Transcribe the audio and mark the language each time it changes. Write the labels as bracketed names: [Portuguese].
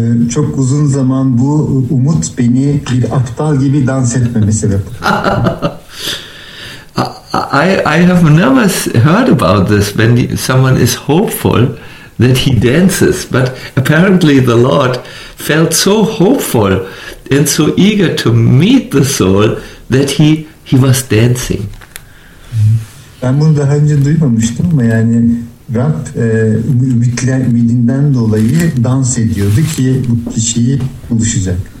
[Turkish] Çok uzun zaman bu umut beni bir aptal gibi dans etmeme sebep oldu. [English] I have never heard about this when someone is hopeful that he dances, but apparently the Lord felt so hopeful and so eager to meet the soul that he was dancing. [Turkish] Ben bunu daha önce duymamıştım ama yani Rab ümidinden dolayı dans ediyordu ki bu kişiyi buluşacak.